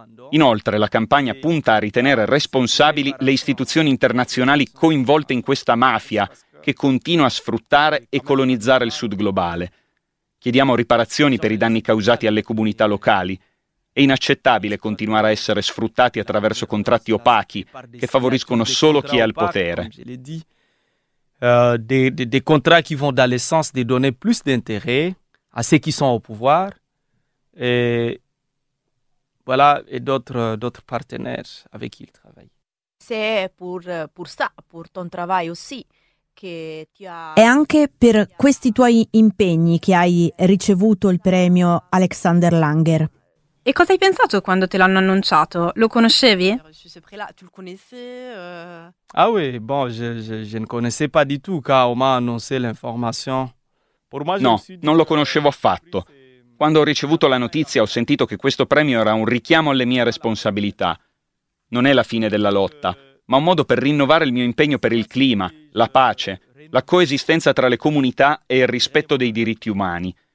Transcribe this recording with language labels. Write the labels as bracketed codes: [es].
[it] Inoltre, la campagna punta a ritenere responsabili le istituzioni internazionali coinvolte in questa mafia che continua a sfruttare e colonizzare il sud globale. Chiediamo riparazioni per i danni causati alle comunità locali. È inaccettabile continuare a essere sfruttati attraverso contratti opachi che favoriscono solo chi è al potere. [fr] Des contrats qui vont dans le sens de donner plus d'intérêt à ceux qui sont au pouvoir et voilà et d'autres partenaires avec qui ils travaillent. C'est pour ça, pour ton travail aussi. [it] È anche per questi tuoi impegni che hai ricevuto il premio Alexander Langer. E cosa hai pensato quando te l'hanno annunciato? Lo conoscevi? [fr] Ah oui, bon, je ne connaissais pas du tout quand on m'a annoncé l'information. [it] No, non lo conoscevo affatto. Quando ho ricevuto la notizia ho sentito che questo premio era un richiamo alle mie responsabilità. Non è la fine della lotta, ma un modo per rinnovare il mio impegno per il clima, la pace, la coesistenza tra le comunità e il rispetto dei diritti umani.